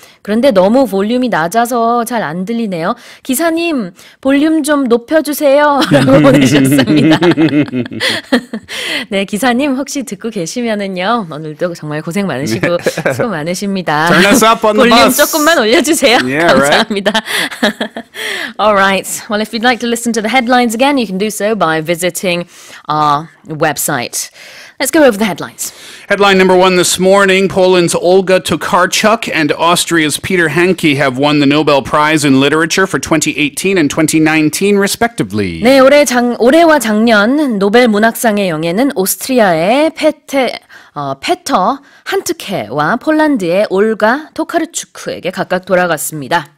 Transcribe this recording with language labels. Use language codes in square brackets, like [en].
[ko] 그런데 너무 볼륨이 낮아서 잘 안 들리네요. 기사님, 볼륨 좀 높여주세요. 라고 보내셨습니다. 네, 기사님 혹시 듣고 계시면은요. 오늘도 정말 고생 많으시고 수고 많으십니다. [en] Turn us up on the bus. [ko] 볼륨 조금만 올려 주세요. [en] Yeah, [ko] 감사합니다. [en] Right. All right. Well, if you'd like to listen to the headlines again, you can do so by visiting our website. Let's go over the headlines. Headline number one this morning, Poland's Olga Tokarczuk and Austria's Peter Handke have won the Nobel Prize in Literature for 2018 and 2019, respectively. [ko] 네, 올해와 작년 노벨 문학상의 영예는 오스트리아의 페터 한트케와 폴란드의 올가 토카르추크에게 각각 돌아갔습니다.